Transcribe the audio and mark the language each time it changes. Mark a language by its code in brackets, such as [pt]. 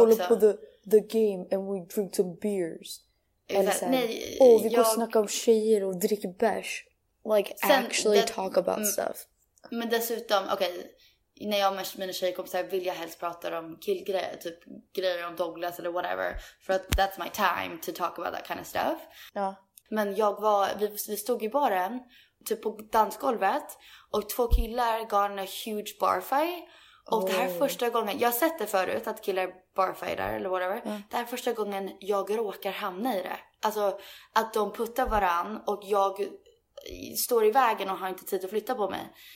[sv] Och vi går och kollar på [en] the game and we drink some beers. [sv] Eller så här, nej, och vi går och snackar om tjejer och dricker bärs. [en] Like [sv] sen, [en] actually talk about stuff. [sv] Men dessutom, när jag och mina tjejkompisar vill jag helst prata om killgrejer, typ grejer om Douglas eller whatever. För att [en] that's my time to talk about that kind of stuff. [sv] Ja. Men vi stod i baren, typ på dansgolvet. Och två killar gav en [en] huge barfight. [sv] Och det här är första gången, jag har sett det förut, att killar barfightar eller whatever. Mm. Det här är första gången jag råkar hamna i det. Alltså att de puttar varann och jag står i vägen och har inte tid att flytta på mig.